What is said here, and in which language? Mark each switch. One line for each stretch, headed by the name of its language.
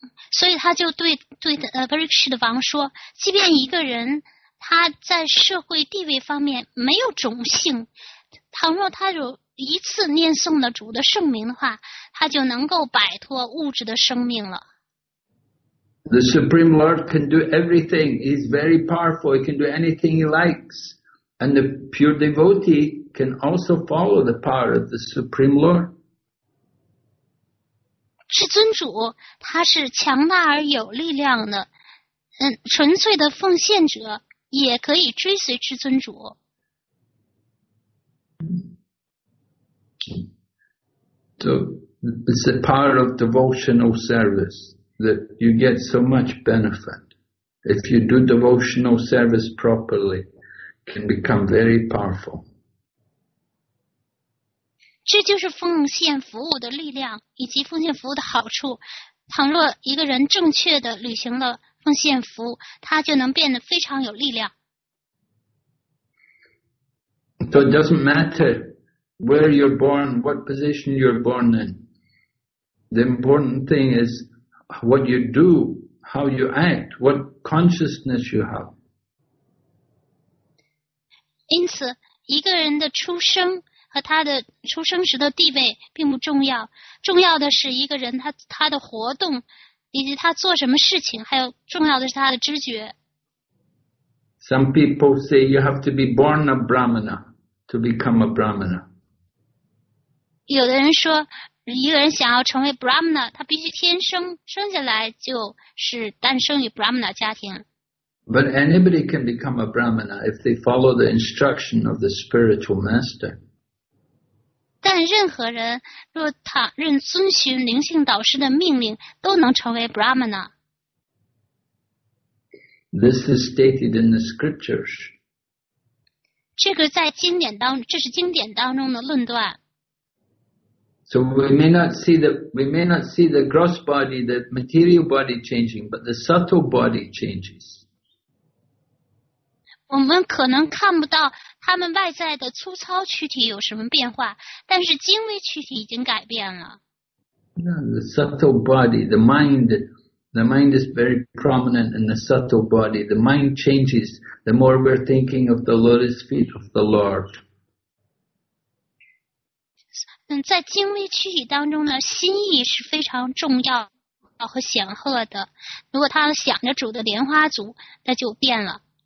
English: So he
Chinese: 就对 Parikshit 王说，即便一个人他在社会地位方面没有种姓，倘若他有一次念诵了主的圣名的话，他就能够摆脱物质的生命了。
English: The Supreme Lord can do everything. He's very powerful. He can do anything he likes, and the pure devotee. Can also follow the power of the Supreme Lord.
Chinese: 至尊主他是强大而有力量的，纯粹的奉献者也可以追随至尊主。
English: So it's the power of devotional service that you get so much benefit. If you do devotional service properly, can become very powerful.
Chinese: 这就是奉献服务的力量以及奉献服务的好处。倘若一个人正确地履行了奉献服务，他就能变得非常有力量。
English: So it doesn't matter where you're born, what position you're born in. The important thing is what you do, how you act, what consciousness you have.
Chinese: 因此，一个人的出生和他的出生时的地位并不重要，重要的是一个人他的活动，以及他做什么事情，还有重要的是他的知觉。
English: Some people say you have to be born a brahmana to become a brahmana.
Chinese: 有的人说，一个人想要成为 brahmana， 他必须天生生下来就是诞生于 brahmana 家庭。
English: But anybody can become a brahmana if they follow the instruction of the spiritual master.
Chinese: 但任何人若他认遵循灵性导师的命令，都能成为 brahmana。
English: This is stated in the scriptures.
Chinese: 这个在经典当中，这是经典当中的论断。
English: So we may not see the gross body, the material body changing, but the subtle body changes.
Chinese: 我们可能看不到他们外在的粗糙躯体有什么变化，但是精微躯体已经改变了。
English: The subtle body, the mind is very prominent in the subtle body. The mind changes the more we're thinking of the lotus feet of the Lord.
Chinese: 在精微躯体当中呢，心意是非常重要和显赫的。如果他想着主的莲花足，那就变了。